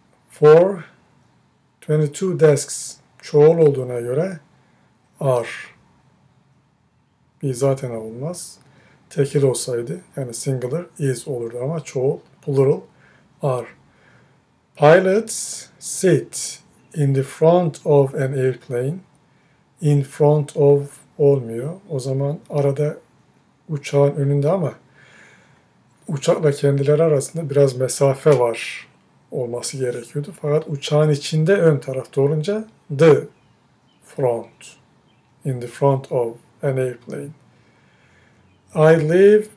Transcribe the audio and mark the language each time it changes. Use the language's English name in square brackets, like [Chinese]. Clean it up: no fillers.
[English] For 22 desks [Turkish] çoğul olduğuna göre [English] are. [Turkish] Bir zaten olmaz. Tekil olsaydı yani singular is olurdu ama çoğul plural are. [English] Pilots sit in the front of an airplane. In front of [Turkish] olmuyor. O zaman arada uçağın önünde ama uçakla kendileri arasında biraz mesafe var. Olması gerekiyordu. Fakat uçağın içinde ön tarafta olunca the front. [English] In the front of an airplane. I live.